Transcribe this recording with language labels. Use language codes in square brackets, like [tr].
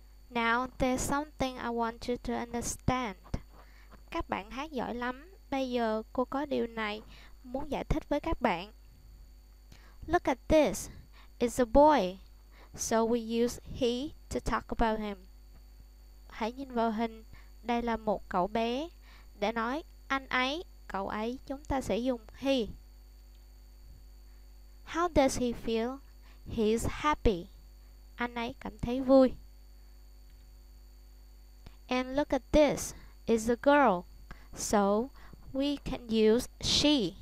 [en] Now there's something I want you to understand. [vi] Các bạn hát giỏi lắm. Bây giờ cô có điều này muốn giải thích với các bạn. [en] Look at this. It's a boy. So we use he to talk about him. [vi] Hãy nhìn vào hình. Đây là một cậu bé. Để nói anh ấy, cậu ấy, chúng ta sẽ dùng he. [en] How does he feel? He's happy. [vi] Anh ấy cảm thấy vui. [en] And look at this. It's a girl. So we can use she.